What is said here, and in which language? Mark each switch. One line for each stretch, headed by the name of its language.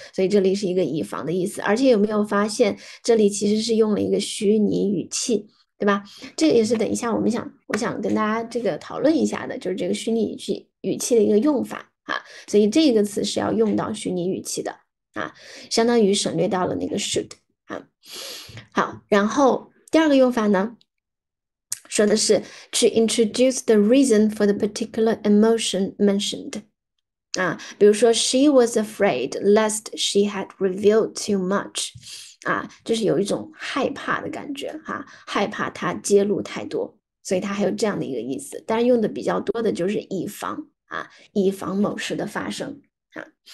Chinese: 所以这里是一个以防的意思，而且有没有发现这里其实是用了一个虚拟语气，对吧？这也是等一下我想跟大家这个讨论一下的，就是这个虚拟语气的一个用法哈。所以这个词是要用到虚拟语气的啊，相当于省略掉了那个 should 啊。好，然后第二个用法呢，说的是
English: to introduce the reason for the particular emotion mentioned。
Chinese: 啊，比如说
English: she was afraid lest she had revealed too much，
Chinese: 啊，就是有一种害怕的感觉哈，害怕她揭露太多，所以它还有这样的一个意思。但是用的比较多的就是以防啊，以防某事的发生啊。